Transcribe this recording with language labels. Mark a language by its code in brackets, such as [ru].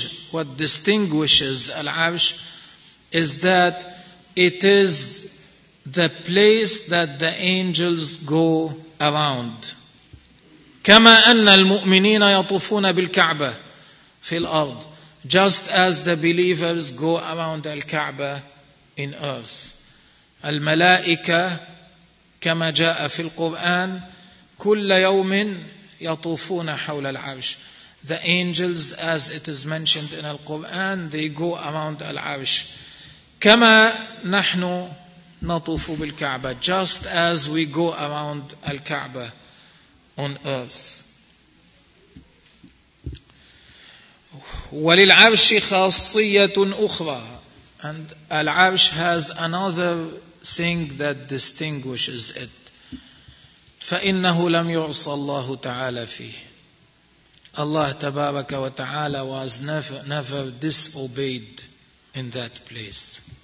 [en] What distinguishes Al-Arsh is that it is the place that the angels go around. [ar] كما أن المؤمنين يطوفون بالكعبة في الأرض, [en] just as the believers go around Al-Kaaba in earth. [ar] الملائكة كما جاء في القرآن كل يوم يطوفون حول العرش. [en] The angels, as it is mentioned in Al-Quran, they go around Al-Arsh. [ar] كما نحن نطوف بالكعبة, [en] just as we go around Al-Kaaba on earth. [ar] وللعرش خاصية أخرى. [en] And Al-Arsh has another thing that distinguishes it. [ar] فإنه لم يعص الله تعالى فيه. [en] Allah [ar] تبارك وتعالى [en] was never disobeyed in that place.